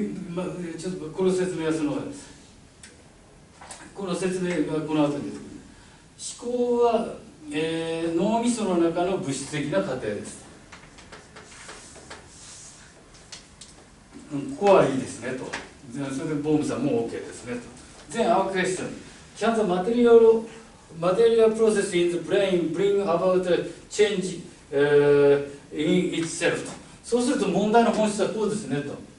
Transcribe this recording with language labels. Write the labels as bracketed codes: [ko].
[ja] ま、ちょっとこの説明はその、この説明がこの後に出てくる。思考は、脳みその中の物質的な過程です。ここはいいですねと。それでボームさんも OK ですねと。 [en] Then our question. Can the material process in the brain bring about a change、in itself? [ja] と。そうすると問題の本質はこうですねと。